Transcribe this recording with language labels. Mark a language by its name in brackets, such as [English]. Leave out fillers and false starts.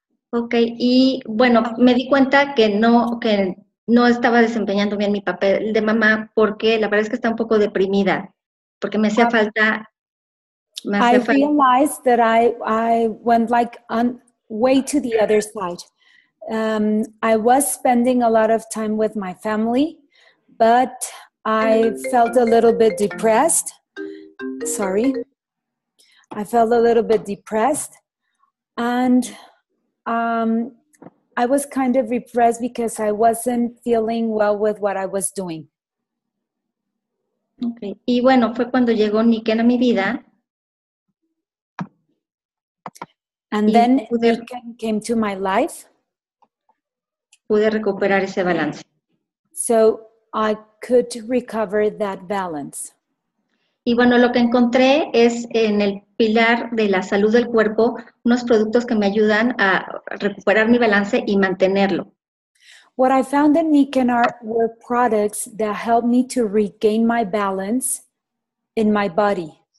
[Spanish] Okay, y bueno, me di cuenta que no estaba desempeñando bien mi papel de mamá porque la verdad es que está un poco deprimida porque me hacía falta. [English] Realized that I went like on way to the other side. I was spending a lot of time with my family, but I felt a little bit depressed. Sorry. I felt a little bit depressed and I was kind of repressed because I wasn't feeling well with what I was doing. [Spanish] Okay. Y bueno, fue cuando llegó Niken a mi vida. [English] And then Niken came to my life. [Spanish] Pude recuperar ese balance. [English] So I could recover that balance. [Spanish] Y bueno, lo que encontré es en el pilar de la salud del cuerpo unos productos que me ayudan a recuperar mi balance y mantenerlo. [English] What I found in Nikenar were products that helped me to regain my balance in my body.